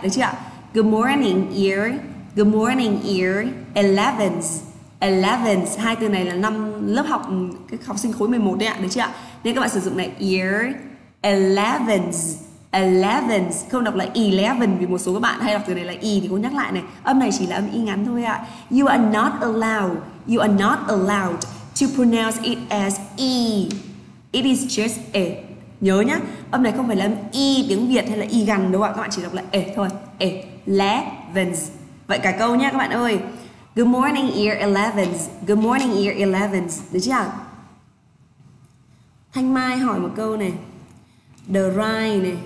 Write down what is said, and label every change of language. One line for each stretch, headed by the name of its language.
Vietnamese: Được chưa ạ?
English: Good morning, ear. Good morning, ear. Elevens. Elevens.
Vietnamese: Hai từ này là năm lớp học, cái học sinh khối 11 đấy ạ. Được chưa ạ? Nên các bạn sử dụng là ear. Elevens. Elevens. Không đọc là eleven vì một số các bạn hay đọc từ này là e thì cô nhắc lại này. Âm này chỉ là âm y ngắn thôi ạ.
English: You are not allowed. You are not allowed to pronounce it as e. It is just e.
Vietnamese: Nhớ nhá, âm này không phải là âm y tiếng Việt hay là y gần đâu ạ. Các bạn chỉ đọc là e thôi. Elevens. Vậy cả câu nhá các bạn ơi.
English: Good morning ear elevens. Good morning ear elevens.
Vietnamese: Được chưa? Thanh Mai hỏi một câu này. Drive này.